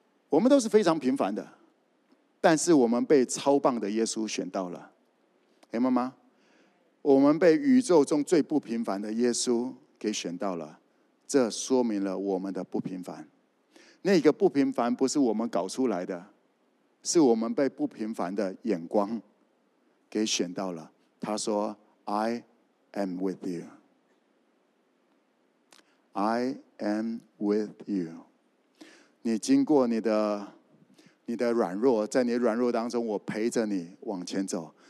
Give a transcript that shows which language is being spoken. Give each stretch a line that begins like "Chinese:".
Chinese: 我们都是非常平凡的，但是我们被超棒的耶稣选到了，哎，妈妈，我们被宇宙中最不平凡的耶稣给选到了。这说明了我们的不平凡，那个不平凡不是我们搞出来的，是我们被不平凡的眼光给选到了。他说
English: I am with you, I am with you。
Chinese: 你经过你的软弱，在你软弱当中我陪着你往前走。